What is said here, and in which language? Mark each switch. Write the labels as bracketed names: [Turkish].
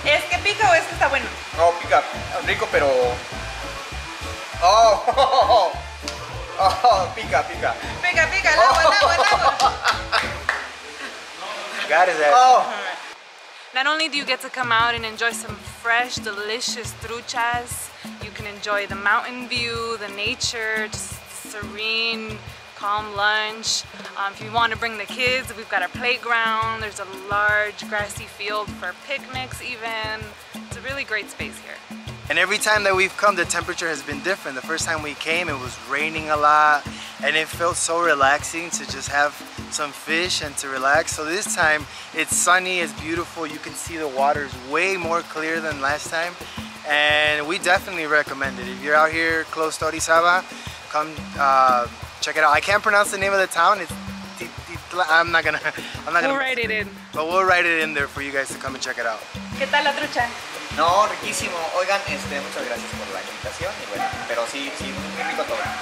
[Spanish] ¿Es que pica o es que está bueno? No, oh, pica. Rico, pero... Oh, oh, oh, oh. Oh, pica, pica. Pica, pica, el agua, el agua, el agua. [English] Got it, oh. Not only do you get to come out and enjoy some fresh, delicious truchas, you can enjoy the mountain view, the nature, just serene, calm lunch. If you want to bring the kids, we've got a playground. There's a large grassy field for picnics even. It's a really great space here. And every time that we've come, the temperature has been different. The first time we came, it was raining a lot, and it felt so relaxing to just have some fish and to relax. So this time, it's sunny, it's beautiful. You can see the water's way more clear than last time. And we definitely recommend it. If you're out here close to Orizaba, come check it out. I can't pronounce the name of the town. I'm not gonna write it in. But we'll write it in there for you guys to come and check it out. [Spanish] ¿Qué tal la trucha? No, riquísimo. Oigan, muchas gracias por la invitación. Y bueno, pero sí, sí, muy rico todo.